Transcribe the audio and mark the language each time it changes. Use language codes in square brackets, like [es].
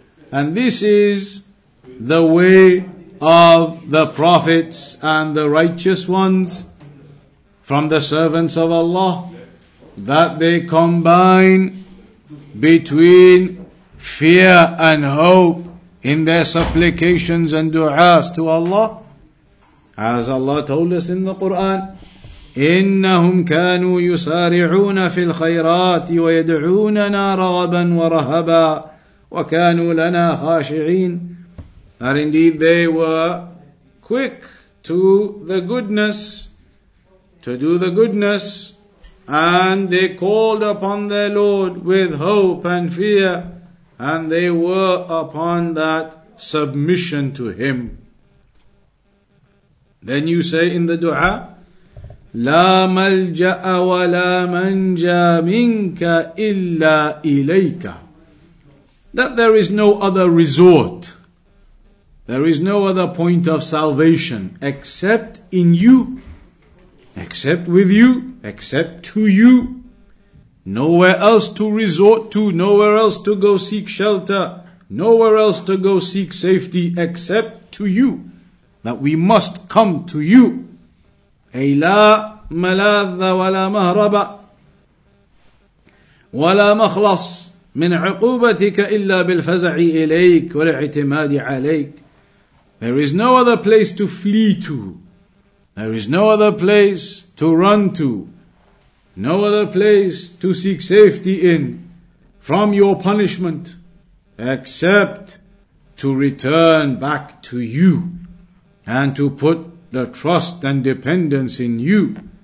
[en] And this is the way of the prophets and the righteous ones from the servants of Allah, that they combine between fear and hope in their supplications and du'as to Allah. As Allah told us in the Qur'an, [ar] إنهم كانوا يسارعون في الخيرات ويدعوننا رغبا ورهبا وكانوا لنا خاشعين. [en] And indeed they were quick to the goodness, to do the goodness, and they called upon their Lord with hope and fear, and they were upon that submission to Him. Then you say in the dua, [ar] لا ملجأ ولا منجا منك إلا إليك. [en] That there is no other resort. There is no other point of salvation except in you. Except with you. Except to you. Nowhere else to resort to. Nowhere else to go seek shelter. Nowhere else to go seek safety except to you. that we must come to you. [ar] أي لا ملاذ ولا مهرب ولا مخلص من عقوبتك إلا بالفزع إليك والاعتماد عليك. [en] There is no other place to flee to. There is no other place to run to. No other place to seek safety in from your punishment except to return back to you and to put the trust and dependence in you.